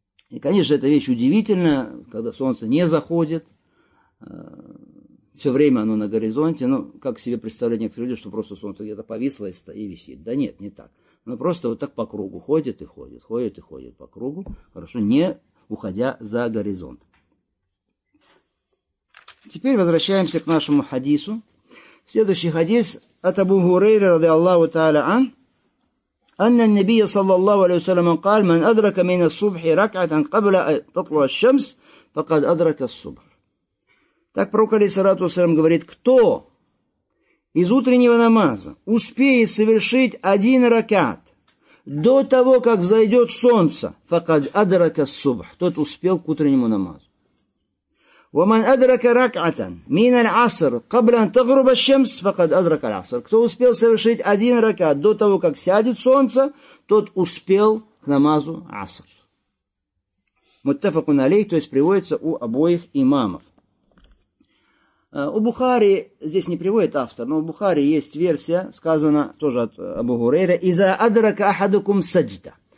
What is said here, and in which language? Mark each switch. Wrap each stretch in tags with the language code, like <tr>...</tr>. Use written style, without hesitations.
<ru>И, конечно, эта вещь удивительная, когда солнце не заходит, все время оно на горизонте, но как себе представляют некоторые люди, что просто солнце где-то повисло и висит. Да нет, не так. Оно просто вот так по кругу ходит по кругу, хорошо, не уходя за горизонт. Теперь возвращаемся к нашему хадису. Следующий хадис от Абу Хурейры, ради Аллаху Та'аля ан.</ru> <ar>أن النبي صلى الله عليه وسلم قال من أدرك من الصبح ركعة قبل تطلع الشمس فقد أدرك الصبح.</ar> <ru>Так пророк алейхиссалату вассалям говорит, кто из утреннего намаза успеет совершить один ракат до того, как взойдет солнце,</ru> <ar>فقد أدرك الصبح,</ar> <ru>тот успел к утреннему намазу.</ru> <ar>ومن أدرك ركعة من العصر قبل أن تغرب الشمس فقد أدرك العصر.</ar> <ru>Кто успел совершить один ракат до того, как сядет солнце, тот успел к намазу аср. Муттафакун алейх, то есть приводится у обоих имамов. У Бухари здесь не приводит автор, но у Бухари есть версия, сказана тоже от Абу Хурейры:</ru> <ar>إذا أدرك أحدكم سجدة.</ar>